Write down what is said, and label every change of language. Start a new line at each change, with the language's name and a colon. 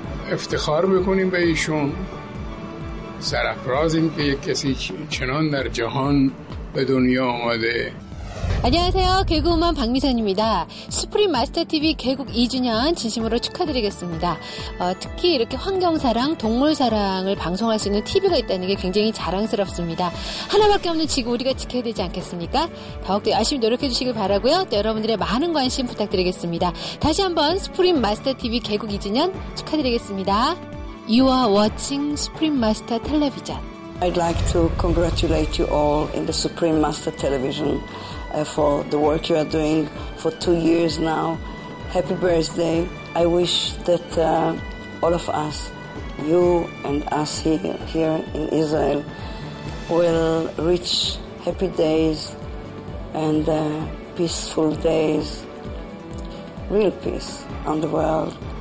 Persian: افتخار بکنیم به ایشون سرفرازیم که یک کسی چنان در جهان به دنیا آمده
Korean: 안녕하세요. 개그우먼 박미선입니다. 스프림 마스터 TV 개국 2주년 진심으로 축하드리겠습니다. 특히 이렇게 환경사랑, 동물사랑을 방송할 수 있는 TV가 있다는 게 굉장히 자랑스럽습니다. 하나밖에 없는 지구 우리가 지켜야 되지 않겠습니까? 더욱더 열심히 노력해 주시길 바라고요. 또 여러분들의 많은 관심 부탁드리겠습니다. 다시 한번 스프림 마스터 TV 개국 2주년 축하드리겠습니다.
English: You are watching 스프림 마스터 텔레비전. I'd like to congratulate you all in the Supreme Master Television for the work you are doing for 2 years now. Happy birthday. I wish that all of us, you and us here in Israel, will reach happy days and peaceful days, real peace on the world.